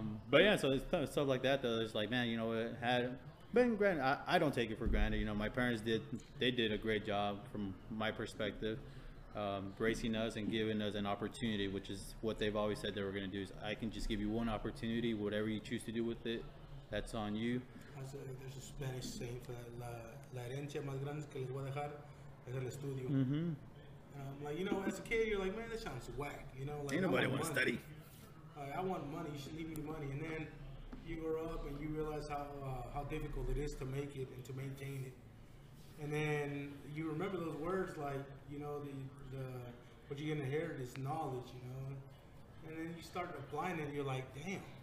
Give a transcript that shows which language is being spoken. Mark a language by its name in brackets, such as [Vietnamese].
[English] But yeah, so it's stuff like that, though. It's like, man, you know what? But granted, I don't take it for granted. You know, my parents did a great job from my perspective, raising us and giving us an opportunity, which is what they've always said they were going to do. Is I can just give you one opportunity, whatever you choose to do with it, that's on you. There's a Spanish saying for [Spanish] la herencia más grande que les voy a dejar es el estudio. [English] Like, you know, as a kid, you're like, man, that sounds whack. You know, like, ain't nobody want to study. Like, I want money. You should leave me the money, and then you grow up and you realize how difficult it is to make it and to maintain it. And then you remember those words, like, you know, the what you're gonna inherit is knowledge, you know. And then you start applying it, and you're like, damn,